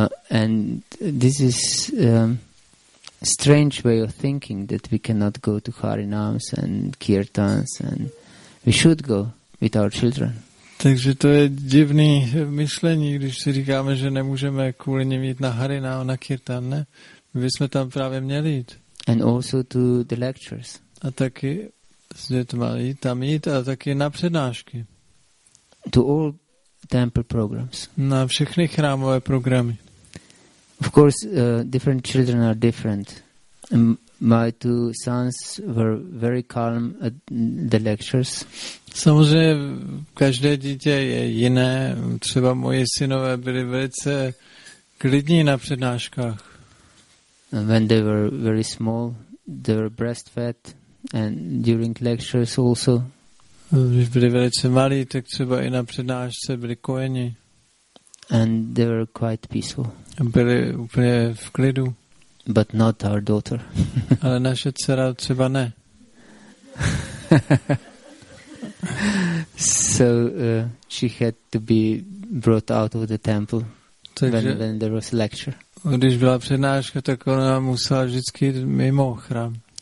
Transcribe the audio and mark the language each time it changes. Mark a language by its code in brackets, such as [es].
[en] and this is strange way of thinking that we cannot go to Harinams and Kirtans and we should go with our children. [cs] Takže to je divný myšlení, když si říkáme, že nemůžeme kvůli nim jít na Harinám, na Kirtan, ne? My bychom tam právě měli jít. [en] And also to the lectures. [cs] A taky s dětma jít tam jít a taky na přednášky. [en] To all temple programs. [cs] Na všechny chrámové programy. [en] Of course, different children are different. My two sons were very calm at the lectures. [cs] Samozřejmě každé dítě je jiné. Třeba moje synové byli velice klidní na přednáškách. [en] When they were very small, they were breastfed, and during lectures also. [cs] Když byli velice malí, tak třeba i na přednášce byli kojeni. [en] And they were quite peaceful. [cs] Byli úplně v klidu. [en] But not our daughter. [cs] Ale naše dcera třeba ne. [en] So she had to be brought out of the temple when there was a lecture. [cs] Když byla přednáška, tak ona musela vždycky mimo chrám.